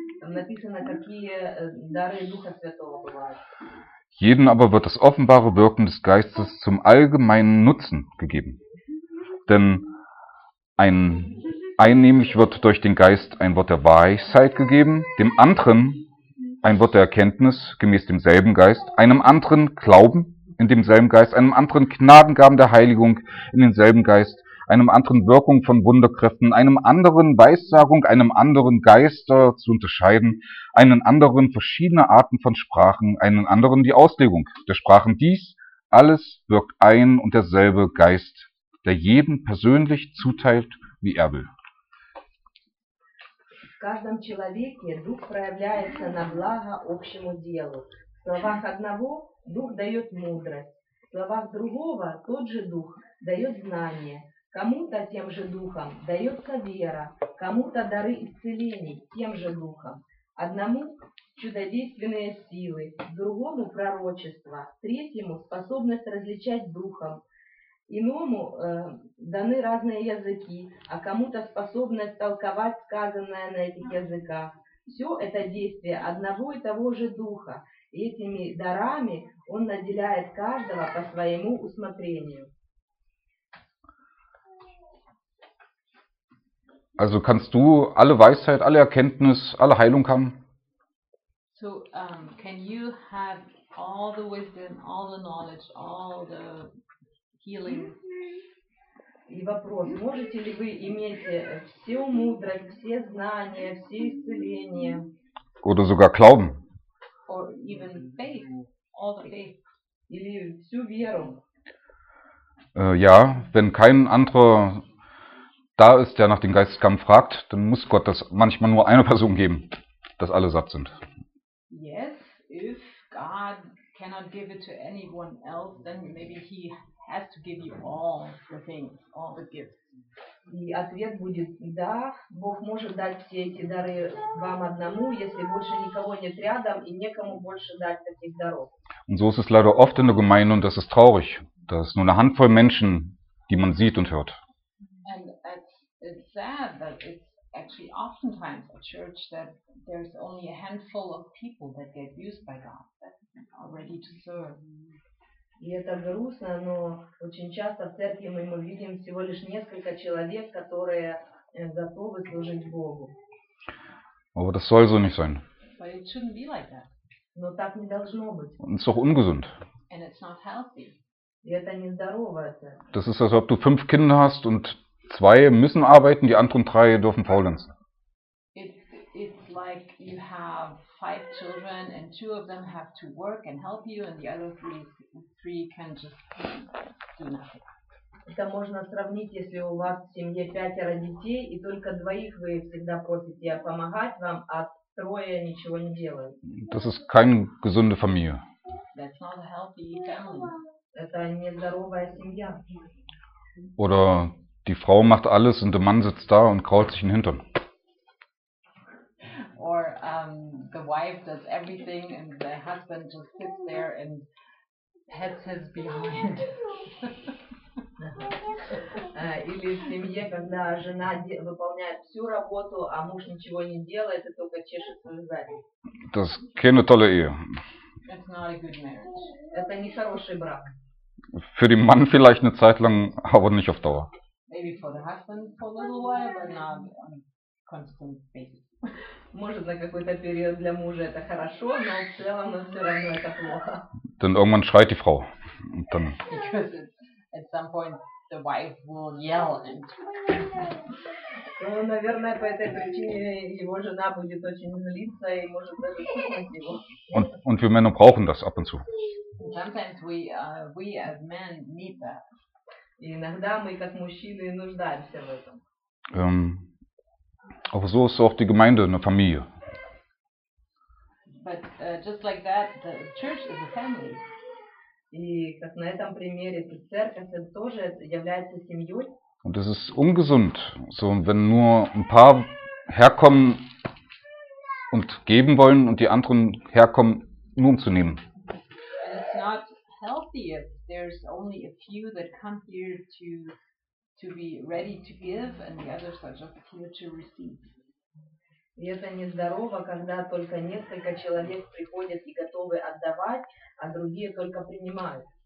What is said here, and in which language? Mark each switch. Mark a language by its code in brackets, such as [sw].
[ru] Написано, какие дары Духа Святого бывают. [de] Jeden aber wird das offenbare Wirken des Geistes zum allgemeinen Nutzen gegeben. Denn ein einnehmlich wird durch den Geist ein Wort der Weisheit gegeben, dem anderen ein Wort der Erkenntnis gemäß demselben Geist, einem anderen Glauben in demselben Geist, einem anderen Gnadengaben der Heiligung in denselben Geist, einem anderen Wirkung von Wunderkräften, einem anderen Weissagung, einem anderen Geister zu unterscheiden, einen anderen verschiedene Arten von Sprachen, einen anderen die Auslegung der Sprachen. Dies alles wirkt ein und derselbe Geist, der jedem persönlich zuteilt, wie er will. [ru] В каждом человеке Дух проявляется на благо общему делу. В словах одного Дух дает мудрость, в словах другого тот же Дух дает знание, кому-то тем же Духом дается вера, кому-то дары исцелений тем же Духом, одному чудодейственные силы, другому пророчество, третьему способность различать Духом. Иному даны разные языки, а кому-то способность толковать сказанное на этих языках. Все это действие одного и того же Духа. И этими дарами Он наделяет каждого по своему усмотрению. [de] Also kannst du alle Weisheit, alle Erkenntnis, alle Heilung haben? [en] So, can you have all the wisdom, all the knowledge, all the healing. [ru] И вопрос, можете ли вы иметь всю мудрость, все знания, все исцеления? [de] Oder sogar glauben. [en] Or even faith, all the faith. [ru] Или всю веру. [de] Ja, wenn kein anderer da ist, der nach dem Geistesgaben fragt, dann muss Gott das manchmal nur einer Person geben, dass alle satt sind. [en] Yes, if God cannot give it to anyone else, then maybe he has to give you all the things, all the gifts. [ru] И ответ будет «Да, Бог может дать все эти дары вам одному, если больше никого нет рядом и некому больше дать таких даров». [de] Und so ist es leider oft in der Gemeinde und das ist traurig. Da ist nur eine Handvoll Menschen, die man sieht und hört. [en] And it's sad that it's actually oftentimes a church that there's only a handful of people that get used by God, that are ready to serve. [ru] И это грустно, но очень часто в церкви мы видим всего лишь несколько человек, которые готовы служить Богу. [de] Aber das soll so nicht sein. [en] But it shouldn't be like that. [ru] Но так не должно быть. [de] Und es ist auch ungesund. [en] And it's not healthy. [ru] И это нездорово. [de] Das ist, als ob du 5 Kinder hast und 2 müssen arbeiten, die anderen 3 dürfen faulenzen. [en] It's like you have 5 children and 2 of them have to work and help you and the other 3 can just do nothing. [ru] Это можно сравнить, если у вас в семье 5 детей и только 2 вы всегда просите помогать вам, а 3 ничего не делают. [de] Das ist keine gesunde Familie. [en] That's not a healthy family. [ru] Это нездоровая семья. [de] Oder die Frau macht alles und der Mann sitzt da und krault sich in den Hintern. [en] Or the wife does everything and the husband just sits there and pets his behind. [ru] Или в семье, когда жена выполняет всю работу, а муж ничего не делает, и только чешет свою задницу. [de] Das ist keine tolle Ehe. [en] It's not a good marriage. [ru] Это не хороший брак. [de] Für den Mann vielleicht eine Zeit lang, aber nicht auf Dauer. [en] Maybe for the husband for a little while, but not on a constant basis. [ru] Может, на какой-то период для мужа это хорошо, но в целом, но все равно это плохо. [de] Dann irgendwann schreit die Frau. Und dann [en] because at some point the wife will yell and [ru] ну, наверное, по этой причине его жена будет очень злиться и может даже кушать его. [de] Und wir Männer brauchen das ab und zu. [en] Sometimes we as men need that. [ru] И иногда мы, как мужчины, нуждаемся в этом. [de] Aber so ist auch die Gemeinde eine Familie. [en] But just like that, the church is a family. [ru] И как на этом примере, то церковь тоже является семьей. [de] Und es ist ungesund, so wenn nur ein paar herkommen und geben wollen und die anderen herkommen, nur um zu nehmen. [en] And it's not healthy if there's only a few that come here to be ready to give and the others are just here to receive. [ru] И это нездорово, когда только несколько человек приходят и готовы отдавать, а другие только принимают.